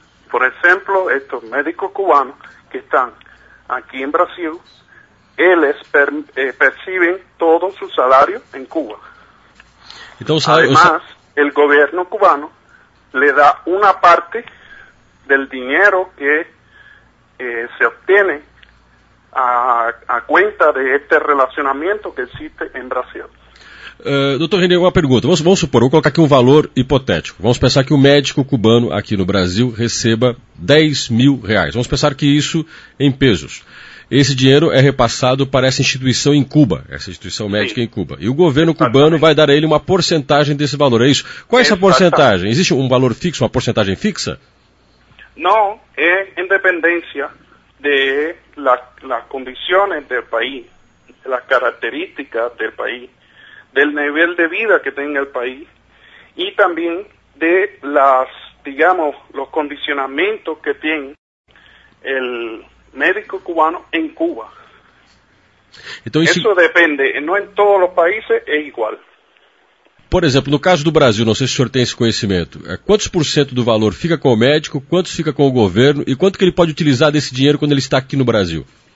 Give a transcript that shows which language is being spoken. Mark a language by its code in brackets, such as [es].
[es] Por ejemplo, estos médicos cubanos que están aquí en Brasil, ellos perciben todo su salario en Cuba. Entonces, además, el gobierno cubano le da una parte del dinero que se obtiene a cuenta de este relacionamiento que existe en Brasil. [pt] Doutor René, uma pergunta. Vamos supor, vou colocar aqui um valor hipotético. Vamos pensar que um médico cubano aqui no Brasil receba 10 mil reais. Vamos pensar que isso em pesos. Esse dinheiro é repassado para essa instituição em Cuba, essa instituição médica Sim. em Cuba. E o governo cubano vai dar a ele uma porcentagem desse valor, é isso? Qual é essa porcentagem? Existe um valor fixo, uma porcentagem fixa? Não, é em dependência de las condições do país, [es] das características do país, del nivel de vida que tenga el país y también de las, digamos, los condicionamientos que tiene el médico cubano en Cuba. Entonces, eso depende, no en todos los países es igual. [pt] Por exemplo, no caso do Brasil, não sei se o senhor tem esse conhecimento, quantos por cento do valor fica com o médico, quantos fica com o governo e quanto que ele pode utilizar desse dinheiro quando ele está aqui no Brasil?